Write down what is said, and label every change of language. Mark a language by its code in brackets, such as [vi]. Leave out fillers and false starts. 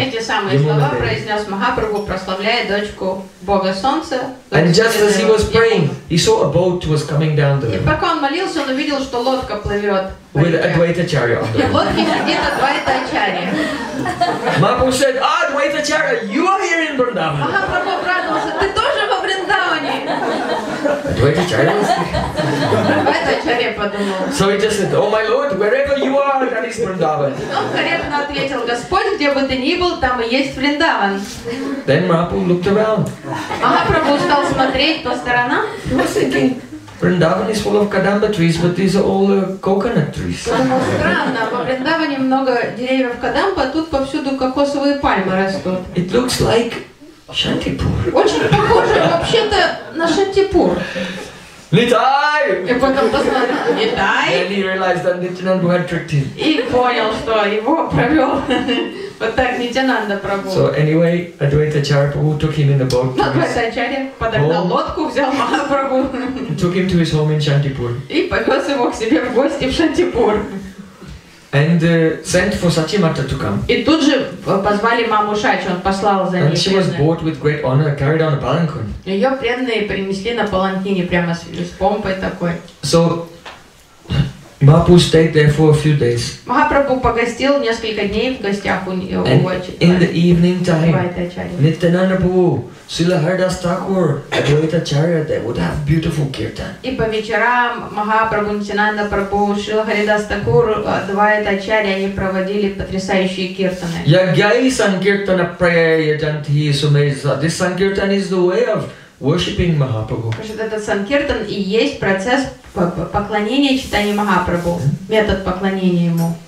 [ru] Эти самые слова произнес Махапрабху, прославляя дочку Бога Солнца. [en] And just as he was praying, he saw a boat was coming down the river. [ru] И пока он молился, он увидел, что лодка плывет. [en] With Advaita Acharya on the [ru] boat. Лодке сидит Advaita Acharya. [en] Mahaprabhu said, "Ah, Advaita Acharya, you are here in Vrindavan." [ru] Махапрабху обрадовался, ты тоже во Вриндаване. [en] Advaita Acharya. [ru] Advaita Acharya подумал. [en] So he just said, "Oh my Lord, wherever you are, that is Vrindavan." [ru] Он корректно ответил, Господь, где бы ты ни был, там и есть Вриндаван. [en] Then Mahaprabhu looked around. [ru] Махапрабху стал смотреть по сторонам. [en] Vrindavan is full of kadamba trees, but these are all coconut trees. [ru] Странно, во Вриндаване много деревьев кадамба, тут повсюду кокосовые пальмы растут. [en] It looks like Шантипур. [ru] Очень похоже вообще-то на Шантипур. Летай! И потом посмотрел, летай! [en] Then he realized that Nityananda had tricked him. [ru] И понял, что его провел. Вот так Нитянанда Прабху. [en] So anyway, Advaita Acharya took him in the boat. [ru] Advaita Acharya подогнал лодку, взял Махапрабху. [en] Took him to his home in Shantipur. [ru] И повез его к себе в гости в Шантипур. [en] And sent for Satyamata to come. [ru] И тут же позвали маму Шачи, он послал за ней. [en] And she was brought with great honor, carried on a palanquin. [ru] Ее преданные принесли на паланкине прямо с помпой такой. [en] So Mahaprabhu stayed there for a few days. [ru] Махапрабху погостил несколько дней в гостях у него. [en] And in the evening time, Nityananda Prabhu, Srila Haridas Thakur, Advaita Acharya, they would have beautiful kirtan. [ru] И по вечерам Махапрабху, Нитянанда Прабху, Шрила Харидас Такур, Адвайта Ачарья, они проводили потрясающие киртаны. [sa] Ягьяй санкиртана праяйяджанти сумейса. [en] This sankirtan is the way of worshipping Mahaprabhu. [ru] Этот санкиртан и есть процесс поклонения читания Махапрабху, метод поклонения ему.